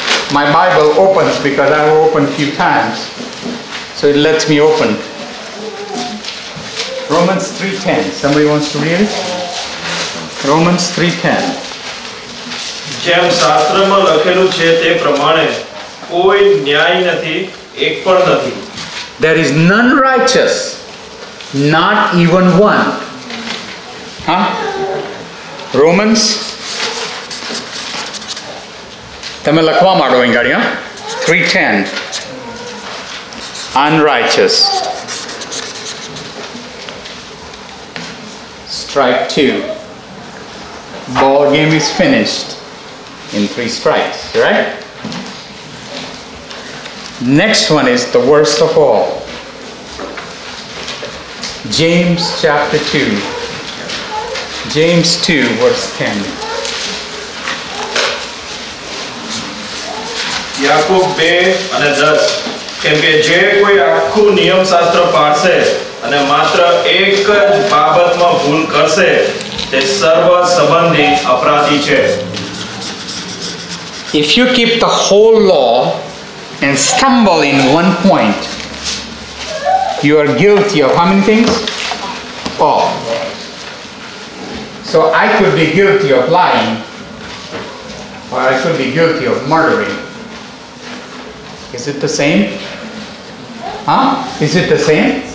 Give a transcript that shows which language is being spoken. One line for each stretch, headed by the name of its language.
English: My Bible opens because I have opened a few times, so it lets me open. Romans 3:10. Somebody wants to read it? Romans 3:10.
Gujarati: જેમ શાસ્ત્રમાં લખેલું છે તે પ્રમાણે કોઈ ન્યાય નથી, એક પણ નથી.
English: There is none righteous, not even one. Huh? Romans.
Gujarati: તમે લખવા માંડો અહીંયા 3:10. Unrighteous.
English: Strike 2. Ball game is finished in 3 strikes, right? Next one is the worst of all. James chapter 2. James 2, verse 10.
Gujarati: Yaakov 2 અને 10 કેમ કે જે કોઈ આખું નિયમ શાસ્ત્ર પાડશે અને માત્ર એક જ બાબતમાં ભૂલ કરશે તે સર્વ સંબંધી અપરાધી છે.
English: If you keep the whole law and stumble in one point, you are guilty of how many things? All. So I could be guilty of lying, or I could be guilty of murdering. Is it the same? Huh? Is it the same?